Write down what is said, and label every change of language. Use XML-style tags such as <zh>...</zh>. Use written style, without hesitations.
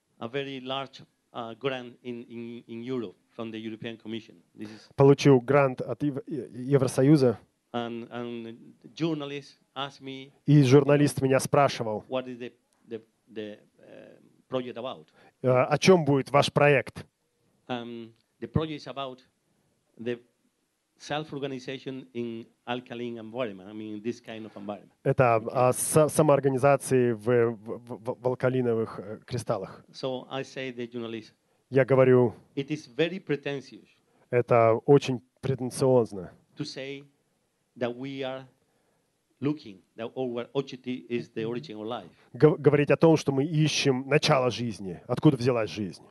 <en>A very large grant in Europe from the European Commission. This is.</en> <ru>Получил грант от Евросоюза.</ru> <en>And journalist asked me.</en> <ru>И журналист меня спрашивал.</ru> <en>What is the project about?</en> <ru>О чем будет ваш проект?</ru> <en>The project is about the self-organization in alkaline environment. I mean, this kind of environment.</en> <ru>Это самоорганизации в алкалиновых кристаллах.</ru> <en>So I say the journalist.</en> <ru>Я говорю.</ru> <en>It is very pretentious.</en> <ru>Это очень претенциозно.</ru> <en>To say that we are looking, that our origin is the origin of life.</en> <ru>Говорить о том, что мы ищем начало жизни, откуда взялась жизнь.</ru>